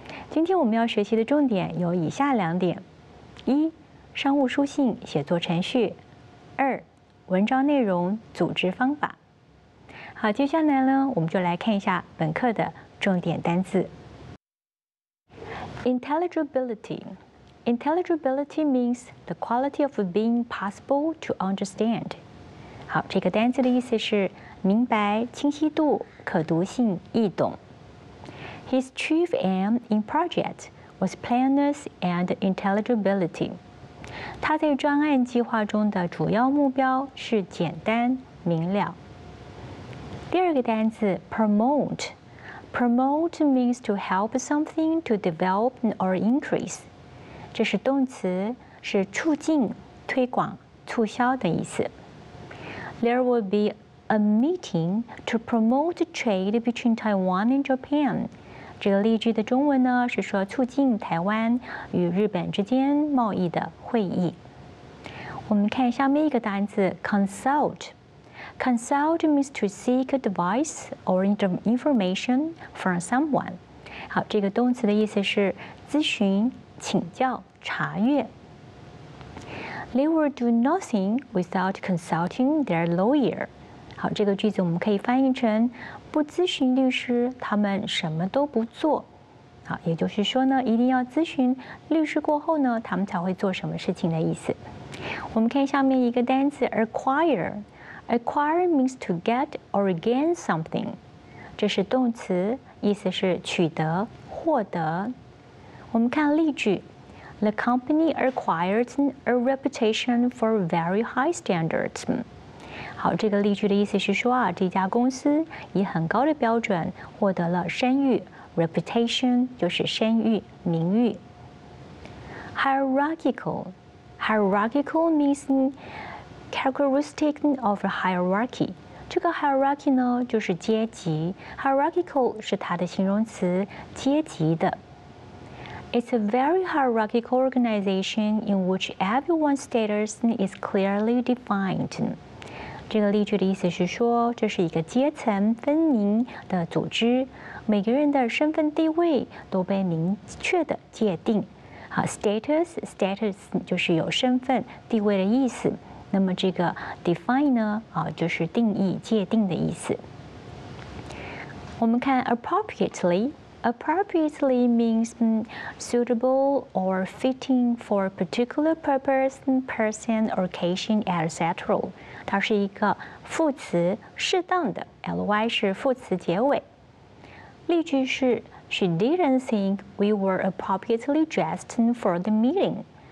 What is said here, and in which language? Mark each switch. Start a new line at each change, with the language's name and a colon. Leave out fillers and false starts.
Chinese: 今天我们要学习的重点有以下两点：一、商务书信写作程序；二、文章内容组织方法。好，接下来呢，我们就来看一下本课的重点单字。
English: Intelligibility. Intelligibility means the quality of being possible to understand.
Chinese: 好，这个单字的意思是明白、清晰度、可读性、易懂。
English: His chief aim in project was plainness and intelligibility.
Chinese: 他在专案计划中的主要目标是简单明了。第二个单词
English: promote. Promote means to help something to develop or increase.
Chinese: 这是动词，是促进、推广、促销的意思。
English: There will be a meeting to promote trade between Taiwan and Japan.
Chinese: 这个例句的中文呢，是说促进台湾与日本之间贸易的会议。我们看下面一个单词
English: consult. Consult means to seek advice or information from someone.
Chinese: 好，这个动词的意思是咨询、请教、查阅。
English: They will do nothing without consulting their lawyer.
Chinese: 好，这个句子我们可以翻译成不咨询律师，他们什么都不做。好，也就是说呢，一定要咨询律师过后呢，他们才会做什么事情的意思。我们看下面一个单词
English: acquire. Acquire means to get or gain something.
Chinese: 这是动词，意思是取得、获得。我们看例句
English: The company acquired a reputation for very high standards.
Chinese: 好，这个例句的意思是说啊，这家公司以很高的标准获得了声誉 ，reputation 就是声誉、名誉。
English: Hierarchical means characteristic of hierarchy.
Chinese: 这个 hierarchy 呢，就是阶级 ，hierarchical 是它的形容词，阶级的。
English: It's a very hierarchical organization in which everyone's status is clearly defined.
Chinese: 这个例句的意思是说，这是一个阶层分明的组织，每个人的身份地位都被明确的界定。好 ，status 就是有身份地位的意思。那么这个 define 呢，就是定义、界定的意思。我们看
English: appropriately means suitable or fitting for a particular purpose, person, occasion, etc.
Chinese: 它是一个副词，适当的 ,ly 是副词结尾。例句是
English: ,She didn't think we were appropriately dressed for the meeting.